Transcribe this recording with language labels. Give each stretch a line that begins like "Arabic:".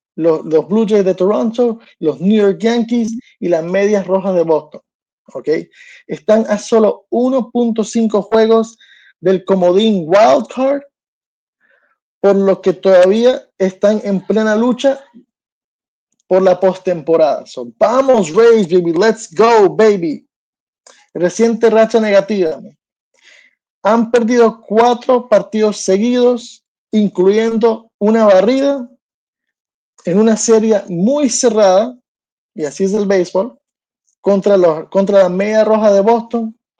Spanish: los Blue Jays de Toronto, los New York Yankees y las Medias Rojas de Boston. ¿Okay? Están a solo 1.5 juegos del comodín Wild Card, por lo que todavía están en plena lucha por la postemporada.
English: So,
Spanish: vamos,
English: Rays, baby, let's go, baby.
Spanish: Reciente racha negativa. Han perdido 4 partidos seguidos, incluyendo una barrida en una serie muy cerrada, y así es el béisbol, contra la Media Roja de Boston.